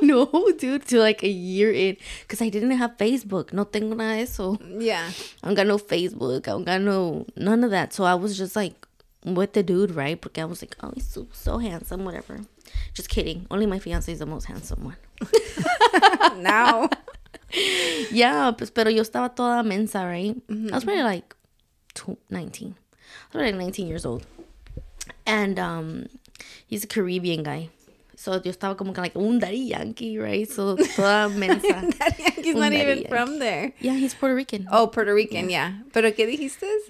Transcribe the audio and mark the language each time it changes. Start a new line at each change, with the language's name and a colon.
English: No, dude, to like a year in. Because I didn't have Facebook.
Spanish: No tengo nada de eso.
English: Yeah. I don't got no Facebook. I don't got no, none of that. So I was just like with the dude, right? Because I was like, oh, he's so, so handsome, whatever. Just kidding. Only my fiance is the most handsome one. Now.
Spanish: Yeah, pues, pero yo estaba toda mensa, right?
English: Mm-hmm. I was probably like 19. I was probably 19 years old. And he's a Caribbean guy. So,
Spanish: yo estaba como que,
English: like, un Daddy Yankee, right?
Spanish: So, toda mensa.
English: Daddy Yankee's not even Yankee. From there. Yeah, he's Puerto Rican. Oh, Puerto Rican, yeah.
Spanish: Pero, ¿qué dijiste?